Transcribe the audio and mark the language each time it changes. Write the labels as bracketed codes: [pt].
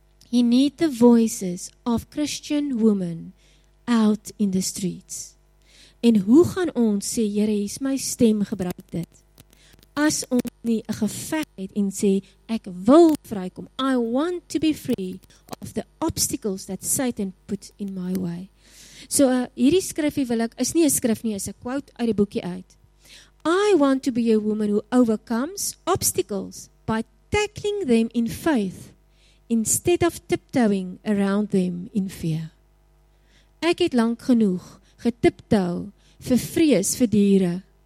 [en] He need the voices of Christian women out in the streets. [af] En hoe gaan ons sê, Here, hier is my stem, gebruik dit. As ons nie 'n geveg het en sê, ek wil vrykom. [en] I want to be free of the obstacles that Satan puts in my way. [af] So, hierdie skrifie wil ek, is nie 'n skrif nie, is 'n quote uit die boekie uit. [en] I want to be a woman who overcomes obstacles by tackling them in faith instead of tiptoeing around them in fear. [af] Ek het lank genoeg getiptou vir vrees vir diere.